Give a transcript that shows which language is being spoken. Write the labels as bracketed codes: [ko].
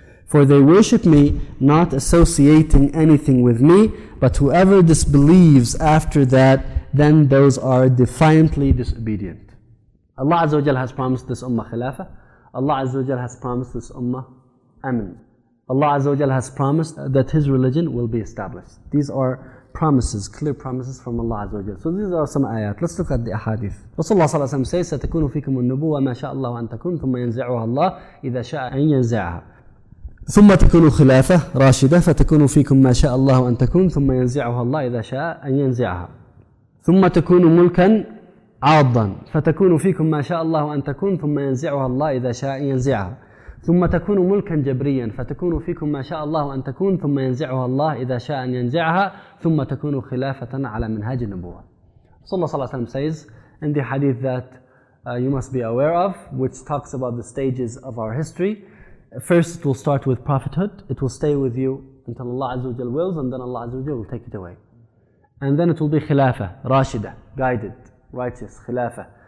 [en] For they worship me, not associating anything with me, but whoever disbelieves after that, then those are defiantly disobedient. Allah Azza wa Jal has promised this ummah khilafah. Allah Azza wa Jal has promised this ummah amen. Allah Azza wa Jal has promised that His religion will be established. These are promises, clear promises from Allah Azza wa Jal. So these are some ayat. Let's look at the ahadith. Rasulullah sallallahu alayhi wa sallam says, [ar] سَتَكُونُ فِيكُمُ النُّبُوَّةَ مَا شَاءَ اللَّهُ أَن تَكُونُ ثُمَّ يَنْزِعُهَا اللَّهُ إِذَا شَاءَ أَن يَنْزِعَهَا ثم تكون خلافة راشدة فتكون فيكم ما شاء الله أن تكون ثم ينزعها الله إذا شاء أن ينزعها ثم تكون ملكا عاضا فتكون فيكم ما شاء الله أن تكون ثم ينزعها الله إذا شاء أن ينزعها ثم تكون ملكا جبريا فتكون فيكم ما شاء الله أن تكون ثم ينزعها الله إذا شاء أن ينزعها ثم تكون خلافة على منهاج النبوة. صلى الله عليه وسلم [en] says in the hadith that you must be aware of, which talks about the stages of our history. First, it will start with prophethood. It will stay with you until Allah Azza wa Jal wills, and then Allah Azza wa Jal will take it away. And then it will be khilafah, rashida, guided, righteous, khilafah.